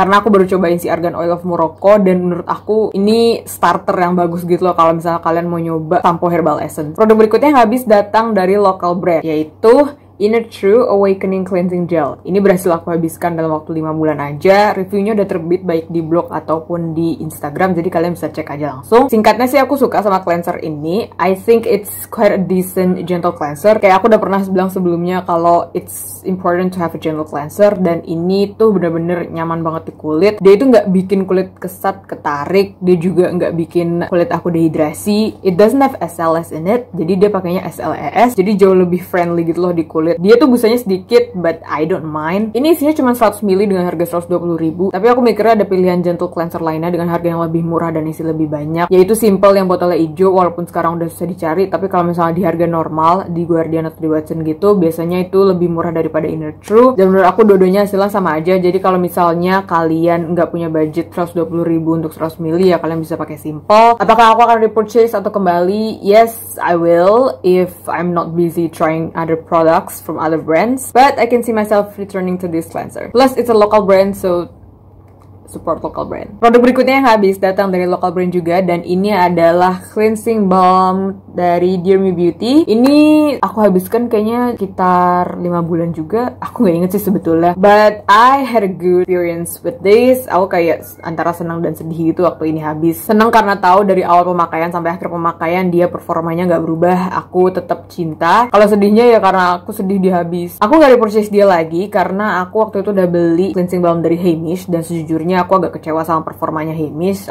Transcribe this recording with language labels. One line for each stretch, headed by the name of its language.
Indonesian: Karena aku baru cobain si Argan Oil of Morocco, dan menurut aku ini starter yang bagus gitu loh kalau misalnya kalian mau nyoba sampo Herbal Essence. Produk berikutnya yang habis datang dari local brand, yaitu Inner True Awakening Cleansing Gel. Ini berhasil aku habiskan dalam waktu 5 bulan aja. Reviewnya udah terbit baik di blog ataupun di Instagram, jadi kalian bisa cek aja langsung. Singkatnya sih aku suka sama cleanser ini.
English: I think it's quite a decent gentle cleanser.
Indonesian: Kayak aku udah pernah bilang sebelumnya kalau
English: it's important to have a gentle cleanser,
Indonesian: dan ini tuh bener-bener nyaman banget di kulit. Dia itu nggak bikin kulit kesat, ketarik. Dia juga nggak bikin kulit aku dehidrasi.
English: It doesn't have SLS in it,
Indonesian: jadi dia pakainya SLAS. Jadi jauh lebih friendly gitu loh di kulit. Dia tuh busanya sedikit,
English: but I don't mind.
Indonesian: Ini isinya cuma 100 ml dengan harga 120.000. Tapi aku mikirnya ada pilihan gentle cleanser lainnya dengan harga yang lebih murah dan isi lebih banyak. Yaitu Simple yang botolnya hijau, walaupun sekarang udah susah dicari. Tapi kalau misalnya di harga normal, di Guardian atau di Watson gitu, biasanya itu lebih murah daripada Inner True. Dan menurut aku dua-duanya hasilnya sama aja. Jadi kalau misalnya kalian nggak punya budget 120.000 untuk 100 ml, ya kalian bisa pakai Simple. Apakah aku akan repurchase atau kembali?
English: Yes, I will. If I'm not busy trying other products from other brands, but I can see myself returning to this cleanser. Plus, it's a local brand, so support local brand.
Indonesian: Produk berikutnya yang habis datang dari local brand juga, dan ini adalah cleansing balm dari Dear Me Beauty. Ini aku habiskan kayaknya sekitar 5 bulan juga. Aku gak inget sih sebetulnya.
English: But I had a good experience with this.
Indonesian: Aku kayak antara senang dan sedih itu waktu ini habis. Senang karena tahu dari awal pemakaian sampai akhir pemakaian dia performanya gak berubah. Aku tetap cinta. Kalau sedihnya ya karena aku sedih dihabis. Aku gak repurchase dia lagi karena aku waktu itu udah beli cleansing balm dari Hamish, dan sejujurnya aku agak kecewa sama performanya Hamish.